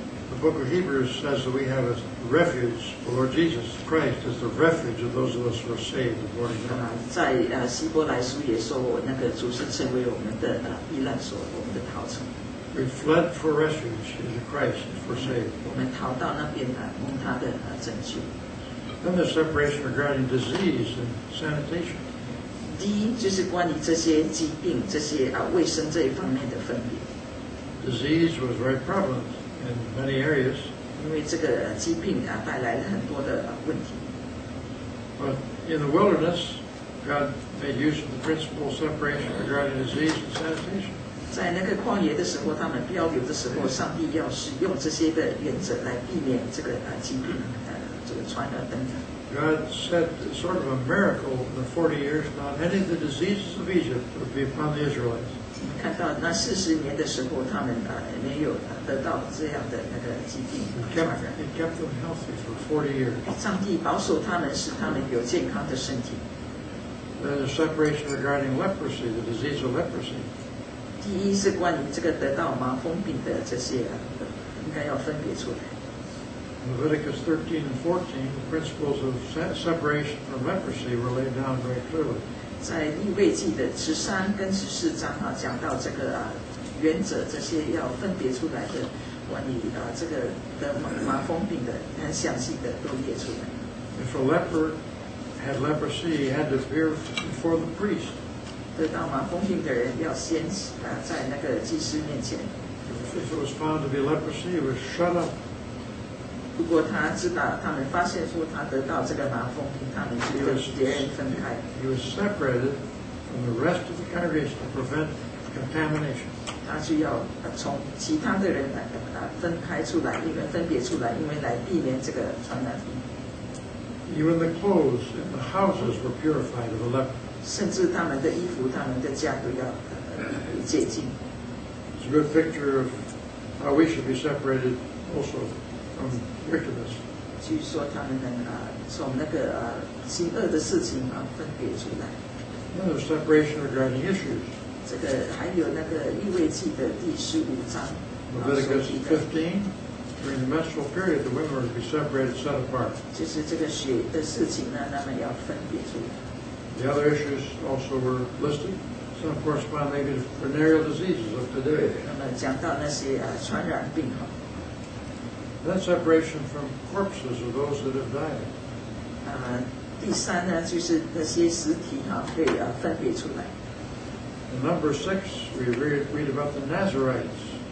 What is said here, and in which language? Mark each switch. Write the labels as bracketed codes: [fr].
[en] The book of Hebrews says that we have a refuge. The Lord Jesus Christ is the refuge of those of us who are saved according to God. [zh] 在希伯来书也说，我那个主是成为我们的避难所，我们的逃城。 [en] We fled for refuge into Christ if we're saved. [zh] 我们逃到那边蒙他的拯救。 [en] Then there's separation regarding disease and sanitation. [zh] 第一就是关于这些疾病、这些卫生这一方面的分别。 [en] Disease was very prevalent in many areas. [zh] 因为这个疾病带来了很多的问题。 [en] But in the wilderness, God made use of the principle of separation regarding disease and sanitation. [zh] 在那个旷野的时候，他们漂流的时候，上帝要使用这些的原则来避免这个疾病这个传染等等。 [en] God said sort of a miracle in the 40 years, not any of the diseases of Egypt would be upon the Israelites. [zh] 你看到那四十年的时候，他们没有得到这样的那个疾病。 [en] It kept them healthy for 40 years. [zh] 上帝保守他们，使他们有健康的身体。 [en] There's a separation regarding leprosy, the disease of leprosy. [zh] 第一是关于这个得到麻风病的这些，应该要分别出来。 [en] Leviticus 13 and 14, the principles of separation from leprosy were laid down very clearly. [zh] 在立位记的十三跟十四章啊，讲到这个原则，这些要分别出来的，关于这个的麻风病的很详细的都列出来。 [en] If a leper had leprosy, he had to appear before the priest. [zh] 得到麻风病的人要先在那个祭司面前。 [en] If it was found to be leprosy, he was shut up. [zh] 如果他知道，他们发现说他得到这个麻风病，他们就跟别人分开。 [en] He was separated from the rest of the congregation to prevent contamination. [zh] 他就要从其他的人来分开出来，因为分别出来，因为来避免这个传染病。 [en] Even the clothes and the houses were purified of a leper. [zh] 甚至他们的衣服、他们的家都要洁净。 [en] It's a good picture of how we should be separated also. From wickedness. [zh] 据说他们能从那个心恶的事情分别出来。 [en] Another separation regarding issues. [zh] 这个还有那个立位记的第十五章。 [en] Leviticus 15. During the menstrual period, the women would be separated, set apart. [zh] 就是这个血的事情呢，那么要分别出。 [en] The other issues also were listed. Some correspond maybe to venereal diseases of today. [zh] 那么讲到那些传染病哈。 [en] Then separation from corpses of those that have died. [zh] 第三呢，就是那些尸体哈，可以分别出来。 [en] In number six, we read about the Nazarites.